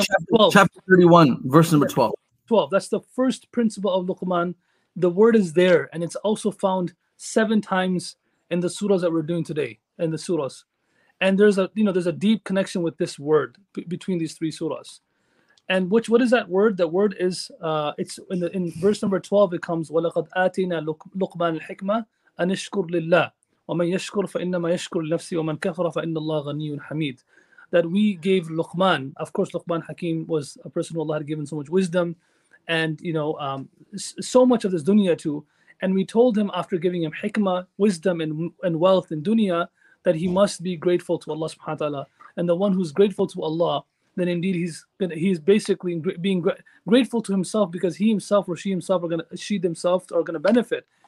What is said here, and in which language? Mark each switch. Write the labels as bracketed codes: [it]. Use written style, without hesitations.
[en] chapter, 12. Chapter 31, verse number 12. 12. That's the first principle of Luqman. The word is there. And it's also found seven times in the surahs that we're doing today, in the surahs. And there's a, you know, there's a deep connection with this word between these three surahs. And what is that word? That word is it's in verse number 12 it comes [ar] وَلَقَدْ آتِينَا لُقْمَانَ الْحِكْمَةَ أَنْ يَشْكُرْ لِلَّهِ وَمَنْ يَشْكُرْ فَإِنَّمَا يَشْكُرْ لِنَفْسِهِ وَمَنْ كَفَرَ فَإِنَّ اللَّهَ غَنِيٌّ حَمِيدٌ. [en] That we gave Luqman, of course Luqman Hakim was a person who Allah had given so much wisdom and you know so much of this dunya to, and we told him after giving him hikmah, wisdom and wealth in dunya, that he must be grateful to Allah subhanahu wa ta'ala. And the one who's grateful to Allah, then indeed he's basically being grateful to himself, because he himself or she himself are going to, she themselves are going to benefit.